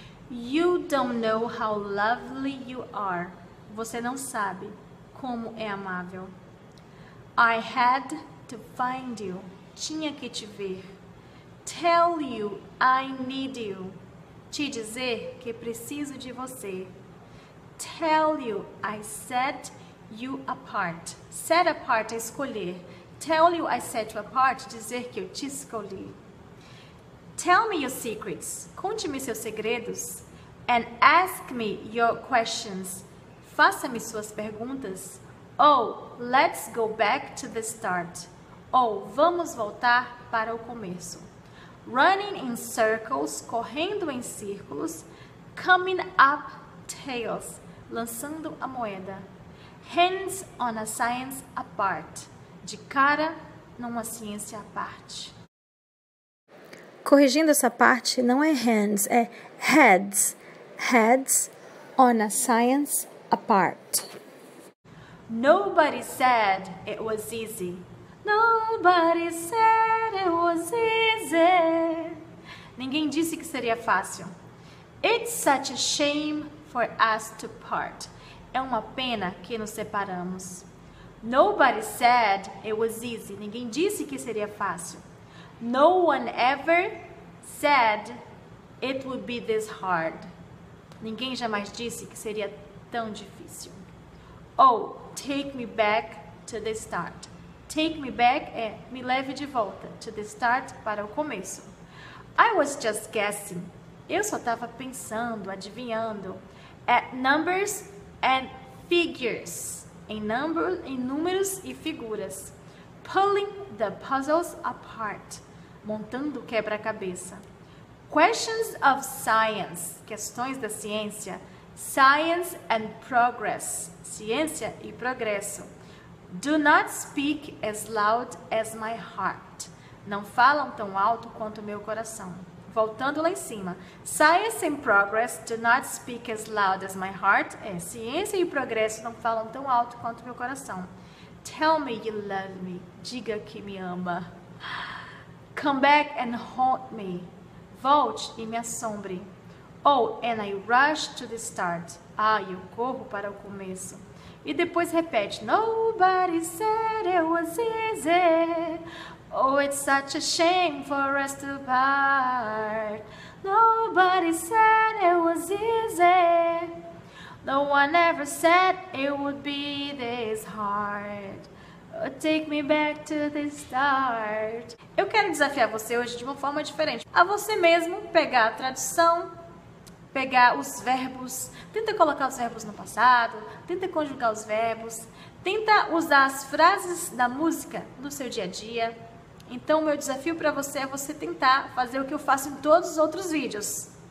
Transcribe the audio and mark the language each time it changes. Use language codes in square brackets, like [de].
[en] You don't know how lovely you are. [pt] Você não sabe como é amável. [en] I had to find you. [pt] Tinha que te ver. [en] Tell you I need you. [pt] Te dizer que preciso de você. [en] Tell you I set you apart. Set apart [pt] é escolher. [en] Tell you I set you apart, [pt] dizer que eu te escolhi. [en] Tell me your secrets. [pt] Conte-me seus segredos. [en] And ask me your questions. [pt] Faça-me suas perguntas. [en] Oh, let's go back to the start. [pt] Oh, vamos voltar para o começo. [en] Running in circles, [pt] correndo em círculos. [en] Coming up tails, [pt] lançando a moeda. [en] Hands on a science apart, [pt] de cara numa ciência à parte. Corrigindo essa parte, não é hands, é heads. [en] Heads on a science apart. Nobody said it was easy. Nobody said it was easy. [pt] Ninguém disse que seria fácil. [en] It's such a shame for us to part. [pt] É uma pena que nos separamos. [en] Nobody said it was easy. [pt] Ninguém disse que seria fácil. [en] No one ever said it would be this hard. [pt] Ninguém jamais disse que seria tão difícil. [en] Oh, take me back to the start. Take me back [pt] é me leve de volta, [en] to the start, [pt] para o começo. [en] I was just guessing. [pt] Eu só estava pensando, adivinhando. [en] At numbers and figures. [pt] Em números e figuras. [en] Pulling the puzzles apart. [pt] Montando o quebra-cabeça. [en] Questions of science. [pt] Questões da ciência. [en] Science and progress. [pt] Ciência e progresso. [en] Do not speak as loud as my heart. [pt] Não falam tão alto quanto meu coração. Voltando lá em cima. [en] Science and progress do not speak as loud as my heart. [pt] É, ciência e progresso não falam tão alto quanto meu coração. [en] Tell me you love me. [pt] Diga que me ama. [en] Come back and haunt me. [pt] Volte e me assombre. [en] Oh, and I rush to the start. [pt] Ah, eu corro para o começo. E depois repete, [en] nobody said it was easy, oh, it's such a shame for us to part, nobody said it was easy, no one ever said it would be this hard, oh, take me back to the start. [pt] Eu quero desafiar você hoje de uma forma diferente, a você mesmo pegar a tradução, pegar os verbos, tenta colocar os verbos no passado, tenta conjugar os verbos, tenta usar as frases da música no seu dia a dia. Então, o meu desafio para você é você tentar fazer o que eu faço em todos os outros vídeos.